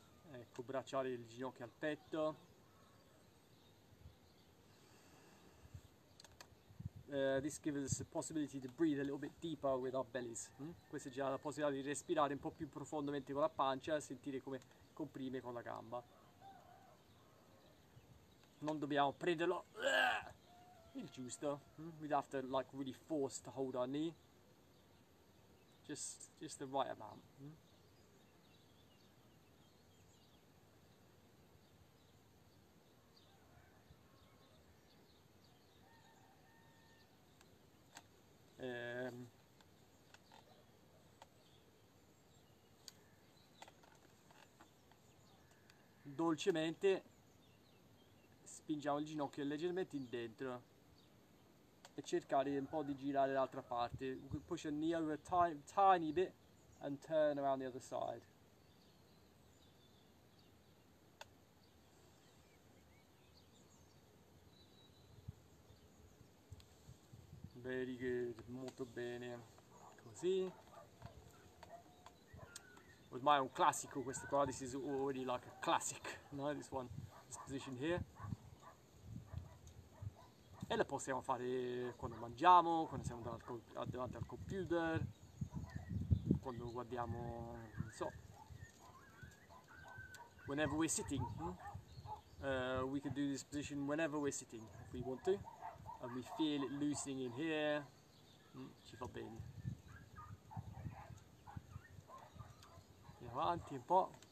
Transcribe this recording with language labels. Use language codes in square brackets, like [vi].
[it] Ecco, bracciare il ginocchio al petto. [en] This gives us the possibility to breathe a little bit deeper with our bellies. [it] Questa è già la possibilità di respirare un po' più profondamente con la pancia e sentire come comprime con la gamba. Non dobbiamo prenderlo il giusto. [en] We'd have to like really force to hold our knee. Just the right amount. [it] Dolcemente spingiamo il ginocchio leggermente indentro e cercare un po' di girare l'altra parte. [en] We could push a knee over a tiny bit and turn around the other side. Very good, [it] molto bene. Così. Ormai è un classico questo qua, [en] this is already like a classic, no? This one, this position here. [it] E la possiamo fare quando mangiamo, quando siamo davanti al computer, quando guardiamo, non so. [en] Whenever we're sitting. We can do this position whenever we're sitting, if we want to. And we feel it loosening in here. [it] Ci fa bene. Avanti un po'.